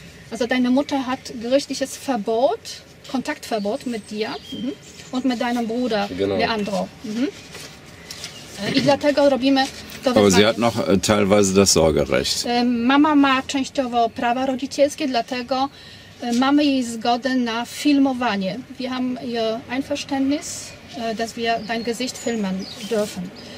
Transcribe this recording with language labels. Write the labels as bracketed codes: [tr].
[de] Also deine Mutter hat gerichtliches Verbot, Kontaktverbot mit dir und mit deinem Bruder, genau. [pl] Leandro. I dlatego robimy to. [de] Aber sie hat noch teilweise das Sorgerecht. [pl] Mama ma częściowo prawa rodzicielskie, dlatego mamy jej zgodę na filmowanie. [de] Wir haben ihr Einverständnis, dass wir dein Gesicht filmen dürfen.